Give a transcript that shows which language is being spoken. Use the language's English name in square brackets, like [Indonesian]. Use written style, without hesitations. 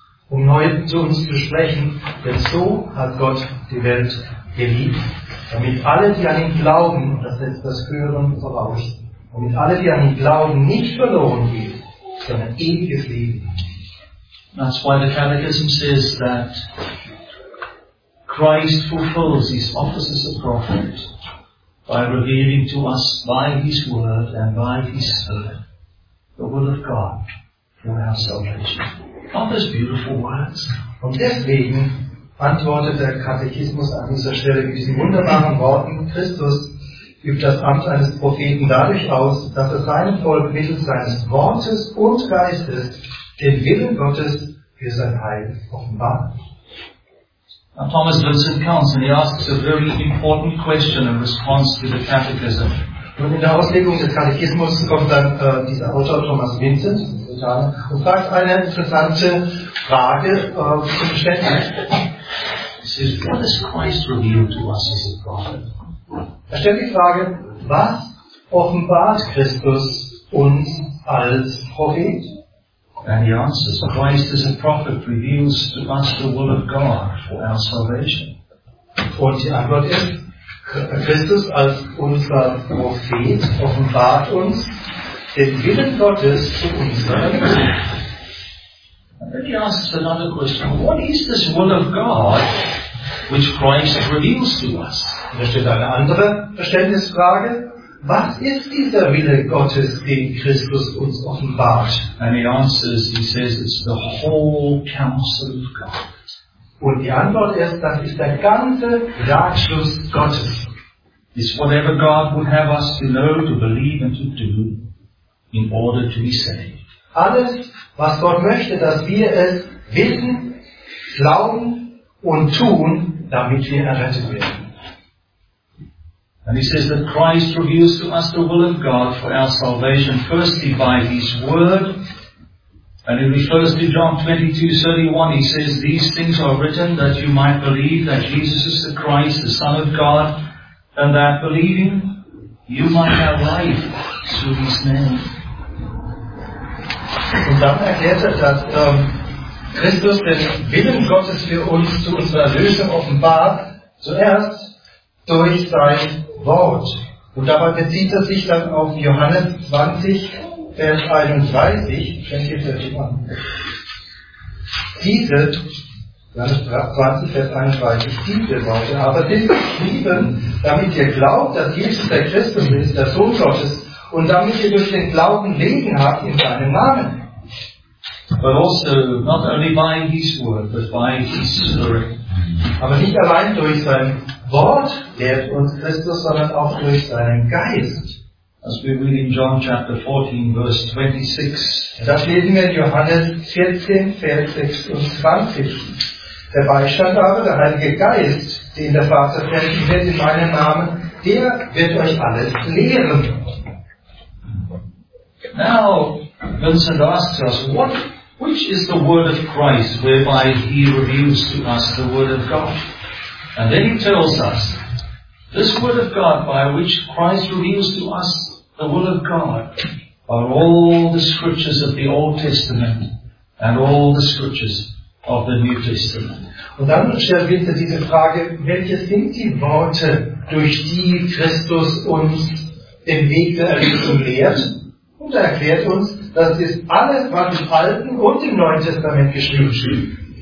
[German] Um neu zu uns zu sprechen, denn so hat Gott die Welt geliebt, damit alle, die an ihn glauben, und das setzt das Hören voraus, damit alle, die an ihn glauben, nicht verloren gehen, sondern ewiges Leben. [English] That's why the Catechism says that Christ fulfills his offices of prophet by revealing to us by his word and by his spirit the will of God. For our salvation. Aren't those beautiful words? [German] Und deswegen antwortet der Katechismus an dieser Stelle mit diesen wunderbaren Worten: Christus übt das Amt eines Propheten dadurch aus, dass er seinem Volk mittels seines Wortes und Geistes den Willen Gottes für sein Heil offenbart. [English] Now Thomas Vincent comes and he asks a very important question in response to the Catechism. [German] Und in der Auslegung des Katechismus kommt dann dieser Autor Thomas Vincent. Und fragt eine interessante Frage zum Verständnis. [English] He says, what has Christ revealed to us as a prophet? [German] Er stellt die Frage, was offenbart Christus uns als Prophet? [English] And he answers, Christ as a prophet reveals to us the will of God for our salvation. [German] Und die Antwort ist, Christus als unser Prophet offenbart uns den Willen Gottes zu unserer Rettung. [English] Then he asks another question. What is this will of God which Christ reveals to us? [German] Da steht eine andere Verständnisfrage. Was ist dieser Wille Gottes, den Christus uns offenbart? [English] And he answers, he says, it's the whole counsel of God. [German] Und die Antwort ist, das ist der ganze Ratschluss Gottes. [English] It's whatever God would have us to know, to believe and to do. In order to be saved. [German] Alles, Was Gott möchte, dass wir es wissen, glauben und tun, damit wir errettet werden. [English] And he says that Christ reveals to us the will of God for our salvation, firstly by his word. And in the first to John 22:31, he says, these things are written that you might believe that Jesus is the Christ, the Son of God, and that believing you might have life through his name. [German] Und dann erklärt er, dass Christus den Willen Gottes für uns zu unserer Erlösung offenbart, zuerst durch sein Wort. Und dabei bezieht er sich dann auf Johannes 20:31, fängt jetzt euch an. Diese, Johannes 20:31, diese Worte, aber das Lieben, damit ihr glaubt, dass Jesus der Christus ist, der Sohn Gottes, und damit ihr durch den Glauben Leben habt in seinem Namen. [English] But also, not only by his word, but by his spirit. [German] Aber nicht allein durch sein Wort lehrt uns Christus, sondern auch durch seinen Geist. [English] As we read in John 14:26. [German] Das lesen wir in Johannes 14:26. Der Beistand aber, der Heilige Geist, den der Vater senden wird in meinem Namen, der wird euch alles lehren. [English] Now, Vincent asks us, what, which is the word of Christ whereby he reveals to us the word of God? And then he tells us, this word of God by which Christ reveals to us the will of God are all the scriptures of the Old Testament and all the scriptures of the New Testament. [German] Und dann stellt Vincent diese Frage, welche sind die Worte, durch die Christus uns den Weg der Erlösung lehrt? Und er erklärt uns, das ist alles, was im Alten und im Neuen Testament geschrieben steht.